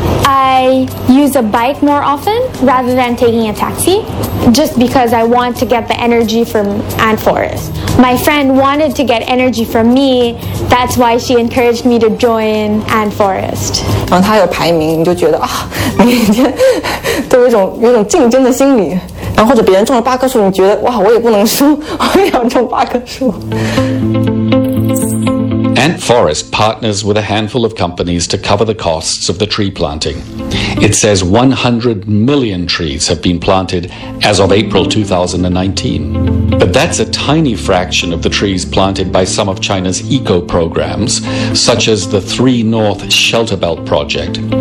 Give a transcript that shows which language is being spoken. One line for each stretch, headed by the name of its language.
English: I use a bike more often rather than taking a taxi, just because I want to get the energy from Ant Forest. My friend wanted to get energy from me, that's why she encouraged me to join Ant Forest. When he has a ranking, you feel every day there is a competition.
Chinese: 然后或者别人种了八棵树，你觉得哇，我也不能输，我也要种八棵树。
English: Ant Forest partners with a handful of companies to cover the costs of the tree planting. It says 100 million trees have been planted as of April 2019. But that's a tiny fraction of the trees planted by some of China's eco programs, such as the Three North Shelter Belt Project.